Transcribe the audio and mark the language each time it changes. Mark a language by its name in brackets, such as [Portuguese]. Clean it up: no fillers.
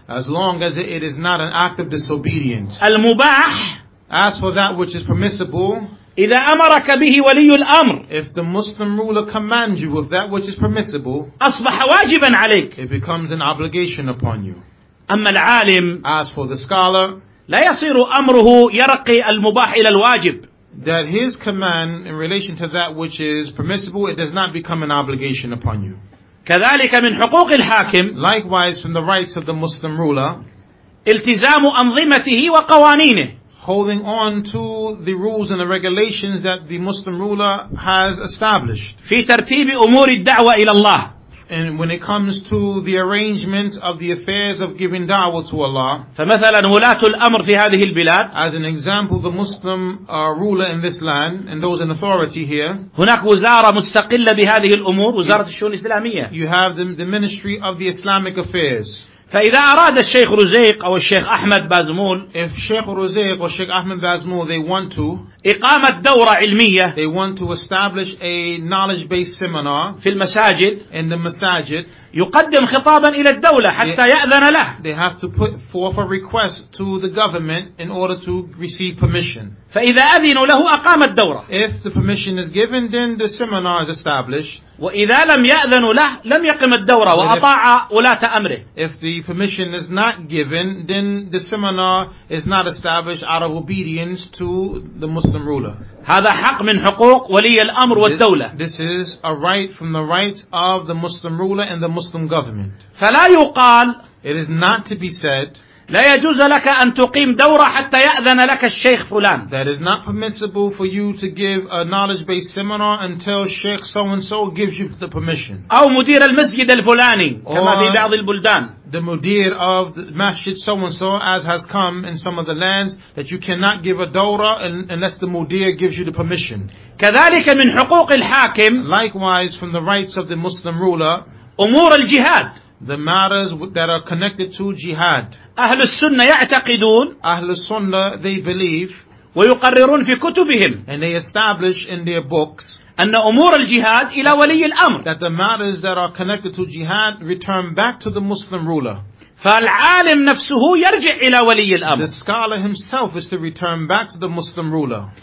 [English] as long as it is not an act of disobedience [Arabic] المباح [English] as for that which is permissible [Arabic] إذا أمرك به ولي الأمر [English] if the Muslim ruler commands you with that which is permissible [Arabic] أصبح واجبا عليك [English] it becomes an obligation upon you [Arabic] أما العالم [English] as for the scholar [Arabic] لا يصير أمره يرقي المباح إلى الواجب [English] that his command in relation to that which is permissible it does not become an obligation upon you [Arabic] كذلك من حقوق الحاكم [English] likewise from the rights of the Muslim ruler [Arabic] التزام أنظمته وقوانينه [English] holding on to the rules and the regulations that the Muslim ruler has established [Arabic] في ترتيب أمور الدعوة إلى الله [English] and when it comes to the arrangement of the affairs of giving da'wah to Allah [Arabic] فمثلا ولاة الأمر في هذه البلاد [English] as an example the Muslim ruler in this land and those in authority here [Arabic] هناك وزارة مستقلة بهذه الأمور وزارة الشؤون الإسلامية [English] you have the ministry of the Islamic affairs [Arabic] فإذا أراد الشيخ رزيق أو الشيخ أحمد بازمول [English] if Sheikh Ruzayq or Sheikh Ahmed Bazmul they want to [Arabic] إقامة دورة علمية [English] they want to establish a knowledge based seminar [Arabic] في المساجد [English] in the masajid [Arabic] يقدم خطابا إلى الدولة حتى يأذن له [English] they have to put forth a request to the government in order to receive permission [Arabic] فإذا أذن له أقام الدورة [English] if the permission is given then the seminar is established [Arabic] وإذا لم يأذن له لم يقم الدورة وأطاع ولاة أمره [English] if the permission is not given then the seminar is not established out of obedience to the Muslim ruler [Arabic] هذا حق من حقوق ولي الأمر والدولة [English] this is a right from the rights of the Muslim ruler and the Muslim government [Arabic] فلا يقال [English] it is not to be said [Arabic] لا يجوز لك أن تقيم دورة حتى يأذن لك الشيخ فلان [English] that is not permissible for you to give a knowledge based seminar until Sheikh so and so gives you the permission [Arabic] أو مدير المسجد الفلاني كما في بعض البلدان [English] the mudir of the masjid so and so as has come in some of the lands that you cannot give a dawra unless the mudir gives you the permission [Arabic] كذلك من حقوق الحاكم [English] likewise from the rights of the Muslim ruler [Arabic] أمور الجهاد [English] The matters that are connected to jihad. [Arabic] أهل السنة يعتقدون. أهل السنة [English] they believe. [Arabic] ويقررون في كتبهم. [English] And they establish in their books. [Arabic] أن أمور الجهاد إلى ولي الأمر. [English] That the matters that are connected to jihad return back to the Muslim ruler. [Arabic] فالعالم نفسه يرجع إلى ولي الأمر. [English] The scholar himself is to return back to the Muslim ruler.